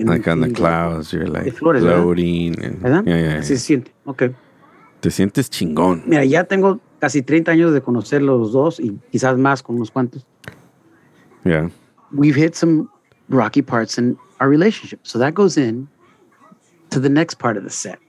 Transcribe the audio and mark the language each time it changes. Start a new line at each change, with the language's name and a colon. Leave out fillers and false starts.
English: like on the clouds, you're like Florida, floating.
Spanish: ¿Verdad? Sí, siente. Okay. Te sientes chingón. Mira, ya tengo casi 30 años de conocer los dos y quizás más con unos cuantos.
English: Yeah. We've hit some rocky parts in our relationship. So that goes in to the next part of the set.